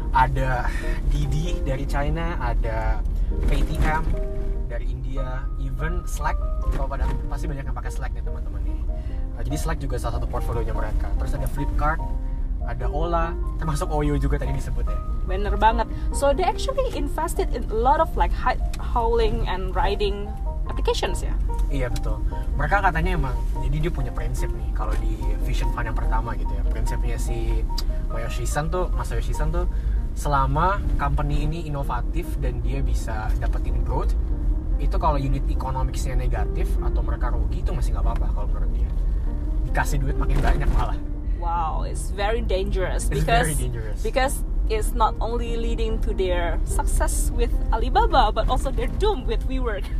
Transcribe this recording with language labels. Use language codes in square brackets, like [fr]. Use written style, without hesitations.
[id] Ada Didi dari China, ada Paytm dari India, even Slack. Kalau pada pasti banyak yang pakai Slack nih teman-teman nih. Jadi Slack juga salah satu portfolionya mereka. Terus ada Flipkart, ada Ola, termasuk Oyo juga tadi disebut ya. Bener banget. [en] So they actually invested in a lot of like hauling and riding applications ya. [id] Iya betul. Mereka katanya emang, jadi dia punya prinsip nih kalau di Vision Fund yang pertama gitu ya. Prinsipnya si Masayoshi-san tuh selama company ini inovatif dan dia bisa dapetin growth, itu kalau unit economics-nya negatif atau mereka rugi itu masih enggak apa-apa kalau menurut dia. Dikasih duit makin banyak malah. [en] Wow, it's very dangerous because it's not only leading to their success with Alibaba but also their doom with WeWork.